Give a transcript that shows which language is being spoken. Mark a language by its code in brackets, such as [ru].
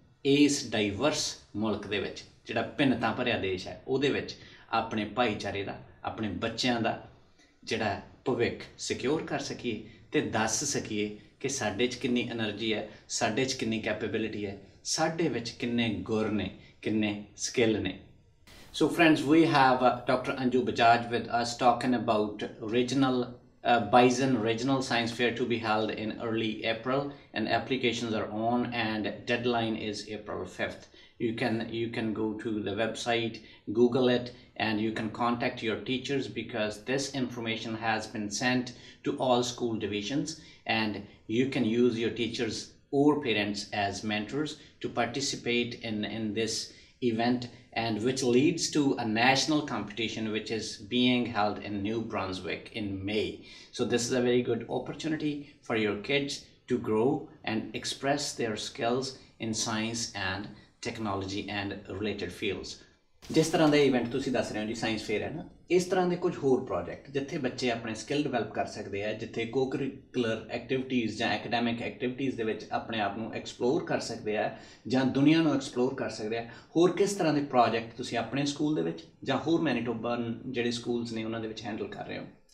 [pa] ਇਸ ਡਾਈਵਰਸ ਮੁਲਕ ਦੇ ਵਿੱਚ, ਜਿਹੜਾ ਭਿੰਨਤਾ ਭਰਿਆ ਦੇਸ਼ ਹੈ, ਉਹਦੇ ਵਿੱਚ ਆਪਣੇ ਭਾਈਚਾਰੇ ਦਾ, ਆਪਣੇ ਬੱਚਿਆਂ ਦਾ ਜਿਹੜਾ ਭਵਿੱਖ ਸਿਕਿਓਰ ਕਰ ਸਕੀਏ, ਅਤੇ ਦੱਸ ਸਕੀਏ ਕਿ ਸਾਡੇ 'ਚ ਕਿੰਨੀ ਐਨਰਜੀ ਹੈ, ਸਾਡੇ 'ਚ ਕਿੰਨੀ ਕੈਪੇਬਿਲਿਟੀ ਹੈ, ਸਾਡੇ ਵਿੱਚ ਕਿੰਨੇ ਗੁਰ ਨੇ, ਕਿੰਨੇ ਸਕਿੱਲ ਨੇ। [en] So friends, we have doctor Anju Bajaj with us talking about regional Bison Regional Science Fair to be held in early April, and applications are on and deadline is April 5th. You can go to the website, Google it, and you can contact your teachers, because this information has been sent to all school divisions, and you can use your teachers or parents as mentors to participate in this event, and which leads to a national competition which is being held in New Brunswick in May. So this is a very good opportunity for your kids to grow and express their skills in science and technology and related fields. [pa] ਜਿਸ ਤਰ੍ਹਾਂ ਦੇ event ਤੁਸੀਂ ਦੱਸ ਰਹੇ ਹੋ ਜੀ, science fair ਹੈ ਨਾ, ਇਸ ਤਰ੍ਹਾਂ ਦੇ ਕੁਝ ਹੋਰ ਪ੍ਰੋਜੈਕਟ ਜਿੱਥੇ ਬੱਚੇ ਆਪਣੇ ਸਕਿੱਲ ਡਿਵੈਲਪ ਕਰ ਸਕਦੇ ਆ, ਜਿੱਥੇ ਕੋਕਰੀਕੁਲਰ ਐਕਟੀਵਿਟੀਜ਼ ਜਾਂ ਅਕੈਡੈਮਿਕ ਐਕਟੀਵਿਟੀਜ਼ ਦੇ ਵਿੱਚ ਆਪਣੇ ਆਪ ਨੂੰ ਐਕਸਪਲੋਰ ਕਰ ਸਕਦੇ ਆ, ਜਾਂ ਦੁਨੀਆ ਨੂੰ ਐਕਸਪਲੋਰ ਕਰ ਸਕਦੇ ਆ, ਹੋਰ ਕਿਸ ਤਰ੍ਹਾਂ ਦੇ ਪ੍ਰੋਜੈਕਟ ਤੁਸੀਂ ਆਪਣੇ ਸਕੂਲ ਦੇ ਵਿੱਚ ਜਾਂ ਹੋਰ ਮੈਨੀਟੋਬਾ ਜਿਹੜੇ ਸਕੂਲਸ ਨੇ ਉਹਨਾਂ ਦੇ ਵਿੱਚ ਹੈਂਡਲ ਕਰ ਰਹੇ ਹੋ?